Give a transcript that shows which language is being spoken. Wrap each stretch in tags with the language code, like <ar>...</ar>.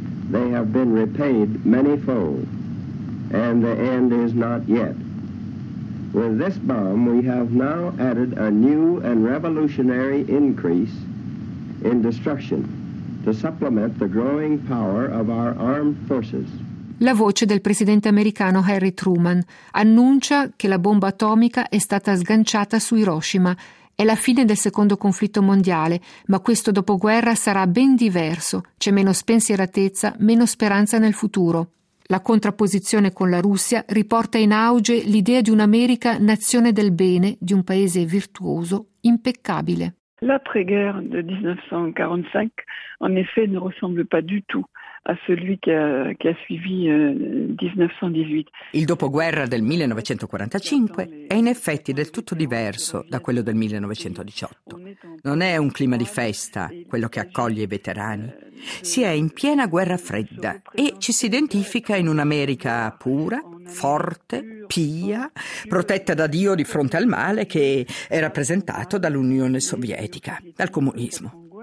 <en>They have been repaid many fold, and the end is not yet. With this bomb, we have now added a new and revolutionary increase in destruction to supplement the growing power of our armed forces.</en> <it>La voce del presidente americano Harry Truman annuncia che la bomba atomica è stata sganciata su Hiroshima. È la fine del secondo conflitto mondiale, ma questo dopoguerra sarà ben diverso. C'è meno spensieratezza, meno speranza nel futuro. La contrapposizione con la Russia riporta in auge l'idea di un'America nazione del bene, di un paese virtuoso, impeccabile.</it> <fr>L'après-guerre de 1945, en effet, ne ressemble pas du tout a celui</fr> <it>che ha</it> <fr>suivi 1918.</fr> <it>Il dopoguerra del 1945 è in effetti del tutto diverso da quello del 1918. Non è un clima di festa quello che accoglie i veterani. Si è in piena guerra fredda e ci si identifica in un'America pura, forte, pia, protetta da Dio di fronte al male che è rappresentato dall'Unione Sovietica, dal comunismo.</it>